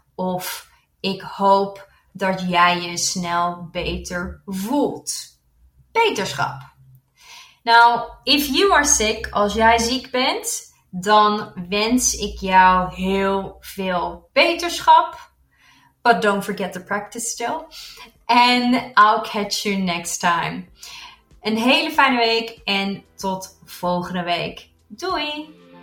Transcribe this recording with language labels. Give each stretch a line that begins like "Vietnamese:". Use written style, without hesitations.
Dutch: Of ik hoop dat jij je snel beter voelt. Beterschap.
English: Now, if you are sick,
Dutch: als jij ziek bent, dan wens ik jou heel veel beterschap.
English: But don't forget to practice still. And I'll catch you next time.
Dutch: Een hele fijne week en tot volgende week. Doei!